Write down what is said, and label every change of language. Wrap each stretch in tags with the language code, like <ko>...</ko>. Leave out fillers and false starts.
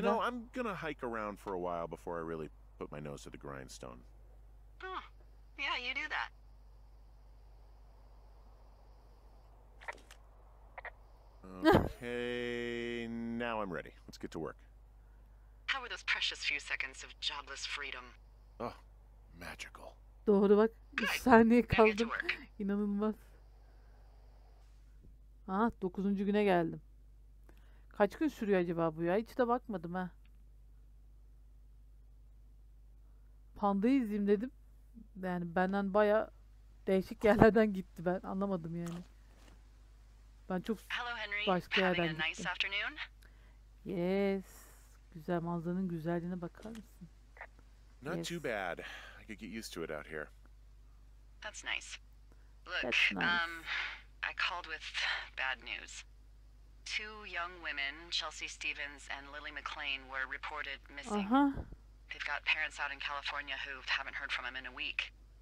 <en>You know, I'm gonna hike around for a while before I really put my nose to the grindstone. Oh, yeah, you do that. Okay, now I'm ready. Let's get to work. How were those precious few seconds of jobless freedom? Oh, magical.</en> <tr>Doğru bak, 3 saniye kaldım. İnanılmaz. Ah, 9. güne geldim. Kaç gün sürüyor acaba bu ya? Hiç de bakmadım ha. Panda'yı izleyeyim dedim. Yani benden baya değişik yerlerden gitti ben. Anlamadım yani. Ben çok başka yerden gittim. Yes. Güzel manzaranın güzelliğine bakar mısın?</tr> <en>Not too bad. I could get used to it out here. That's nice. Look, I called with bad news. Two young women, Chelsea Stevens and Lily McLean, were reported missing. Uh-huh. They've got parents out in California who haven't heard from them in a week.</en>